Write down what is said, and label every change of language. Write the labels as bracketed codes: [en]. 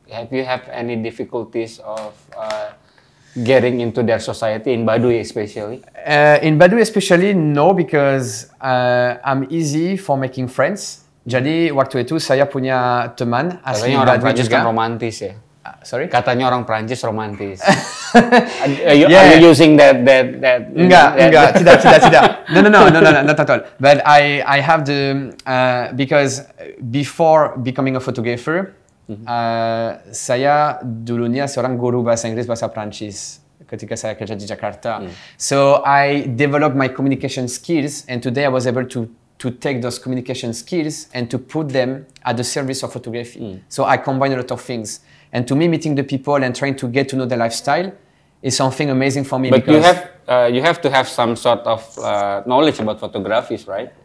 [en] Have you have any difficulties of getting into their society in Baduy especially? In Baduy especially, no, because I'm easy for making friends. [id] Jadi waktu itu saya punya teman asli Baduy. Orang Perancis kan romantis ya. [en] Sorry? [id] Katanya orang Perancis romantis. [en] are you using that? [id] Enggak, tidak. [en] No, not at all. But I have the because before becoming a photographer. [id] Saya dulunya seorang guru bahasa Inggris, bahasa Perancis ketika saya kerja di Jakarta. [en] So I developed my communication skills, and today I was able to take those communication skills and to put them at the service of photography. So I combine a lot of things, and to me, meeting the people and trying to get to know their lifestyle is something amazing for me. But because you have to have some sort of knowledge about photographies, right?